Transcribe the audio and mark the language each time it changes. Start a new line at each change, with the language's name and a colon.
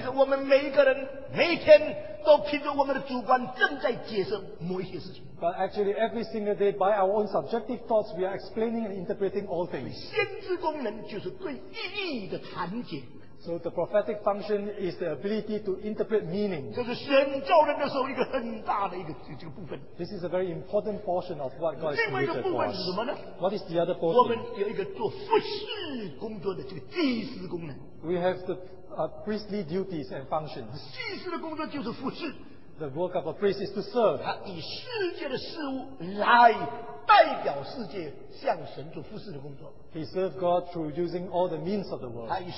Chinese: 其实我们每一个人每天都凭着我们的主观正在解释某一些事情。
English: But actually every single day by our own subjective thoughts we are explaining and interpreting all things.
Chinese: 先知功能就是对意义的谈解。
English: So the prophetic function is the ability to interpret meaning.
Chinese: 这是神造人的时候一个很大的一个部分。
English: This is a very important portion of what God is created for.
Chinese: 另外一个部分是什么呢？
English: What is the other portion?
Chinese: 我们有一个做服事工作的这个祭司功能。
English: We have the priestly duties and functions.
Chinese: 祭司的工作就是服事。
English: The work of a priest is to serve.
Chinese: 他以世界的事物来 代表世界向神做服事的工作。
English: He served God through using all the means of the world.